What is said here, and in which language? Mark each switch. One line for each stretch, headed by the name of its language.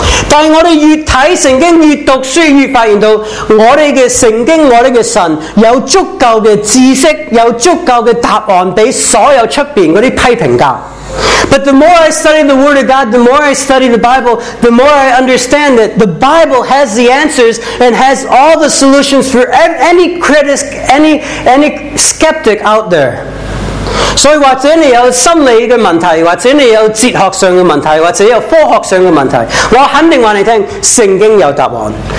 Chinese: 但是我们越看圣经越读书越发现到我们的圣经我们的神有足够的知识有足够的答案给所有外面那些批评家。
English: But the more I study the Word of God, the more I study the Bible, the more I understand that the Bible has the answers and has all the solutions for any critic, any skeptic out there.
Chinese: 所以或者你有心理的问题，或者你有哲学上的问题，或者有科学上的问题，我肯定告诉你，圣经有答案。